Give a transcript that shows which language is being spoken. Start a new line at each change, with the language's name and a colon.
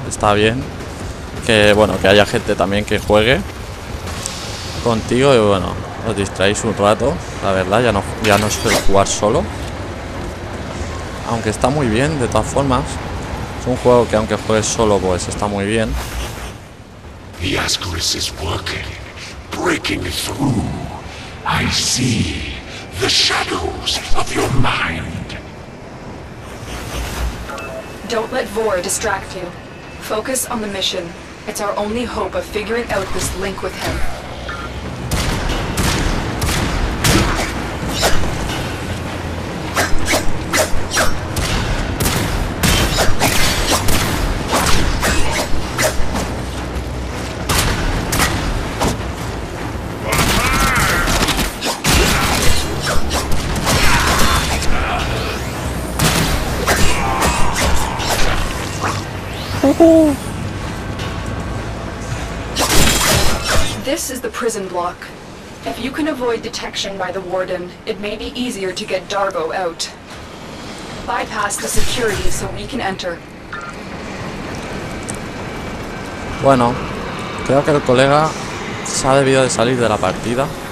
Spanish: Está bien que bueno, que haya gente también que juegue contigo y bueno, os distraéis un rato. La verdad, ya no suelo jugar solo. Aunque está muy bien, de todas formas. Es un juego que aunque juegues solo, pues está muy bien.
English: The Ascaris is working. Breaking through. I see the shadows of your mind. Don't let Vor distract you. Focus on the mission. It's our only hope of figuring out this link with him. This is the prison block. If you can avoid detection by the warden, it may be easier to get Darbo out. Bypass the security so we can enter.
Spanish: Bueno, creo que el colega se ha debido de salir de la partida.